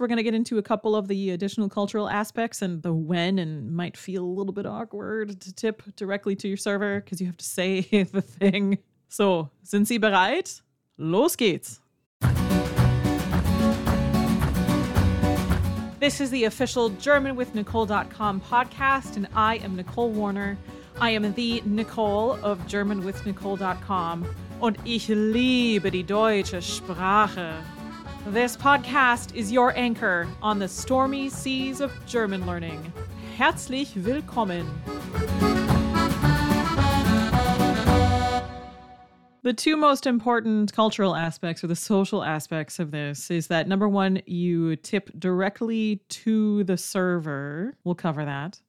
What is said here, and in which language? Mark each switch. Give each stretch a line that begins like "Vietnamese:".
English: We're going to get into a couple of the additional cultural aspects and the when, and might feel a little bit awkward to tip directly to your server because you have to say the thing.
German: So, sind Sie bereit? Los geht's!
English: This is the official GermanWithNicole.com podcast, and I am Nicole Warner. I am the Nicole of GermanWithNicole.com,
German: und ich liebe die deutsche Sprache.
English: This podcast is your anchor on the stormy seas of German learning.
German: Herzlich willkommen.
English: The two most important cultural aspects, or the social aspects of this, is that number one, you tip directly to the server. We'll cover that.